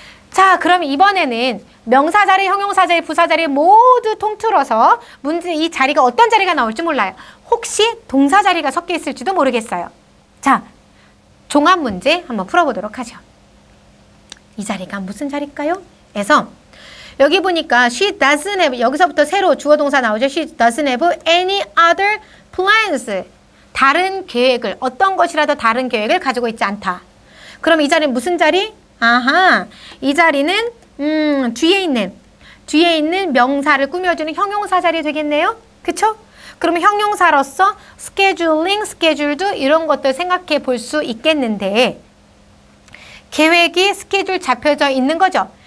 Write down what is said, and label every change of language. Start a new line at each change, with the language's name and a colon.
Korean: 자, 그럼 이번에는 명사자리, 형용사자리, 부사자리 모두 통틀어서 문제 이 자리가 어떤 자리가 나올지 몰라요. 혹시 동사자리가 섞여 있을지도 모르겠어요. 자, 종합문제 한번 풀어보도록 하죠. 이 자리가 무슨 자리일까요? 에서 여기 보니까
English: she doesn't have,
Korean: 여기서부터 새로 주어동사 나오죠.
English: she doesn't have any other plans.
Korean: 다른 계획을, 어떤 것이라도 다른 계획을 가지고 있지 않다. 그럼 이 자리는 무슨 자리? 아하, 이 자리는 뒤에 있는 명사를 꾸며주는 형용사 자리 되겠네요. 그쵸? 그럼 형용사로서 스케줄링, 스케줄도 이런 것들 생각해 볼 수 있겠는데 계획이 스케줄 잡혀져 있는 거죠.